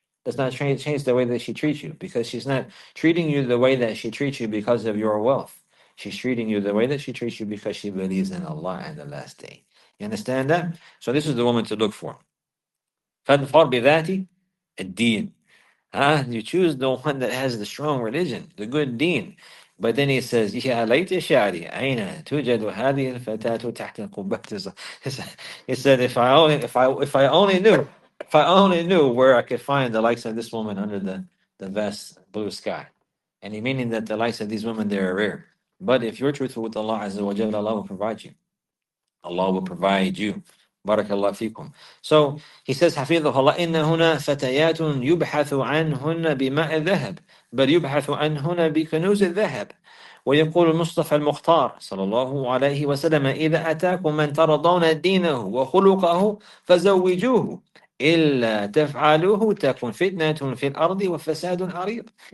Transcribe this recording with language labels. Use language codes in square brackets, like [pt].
[en] Does not change the way that she treats you, because she's not treating you the way that she treats you because of your wealth. She's treating you the way that she treats you because she believes in Allah and the last day. You understand that? So this is the woman to look for. [ar] فَانْفَرْ بِذَاتِ الدِّينِ. [en] You choose the one that has the strong religion, the good deen. But then he says, [ar] يَا لَيْتِ شَعْرِي أَيْنَ تُجَدُ هَذِهِ الْفَتَاةُ تَحْتَ الْقُبَّةِ. [en] He said, if I only knew where I could find the likes of this woman under the vast blue sky. And he meaning that the likes of these women, they are rare. But if you're truthful with Allah Azza wa Jalla, Allah will provide you. Allah will provide you. Barakallahu fikum. So he says, [ar] حَفِظُهُ اللَّهِ إِنَّ هُنَا فَتَيَاتٌ يُبْحَثُ عَنْهُنَّ بِمَاءِ الذَّهَبِ بَلْ يُبْحَثُ عَنْهُنَّ بِكَنُوزِ الذَّهَبِ وَيَقُولُ الْمُصْطَفَى الْمُخْتَارُ صَلَى اللَّهُ عَلَيْهِ وَسَلَّمَ إِذَا أَتَاكُم مَّن تَرَضَوْنَ دِينَهُ وَخُلُقَهُ فَزَوِّجُوهُ إِلَّا تَفْعَلُوهُ تَكُن فِتْنَةٌ فِي الْأَرْضِ وَفَسَادٌ عَرِيضٌ.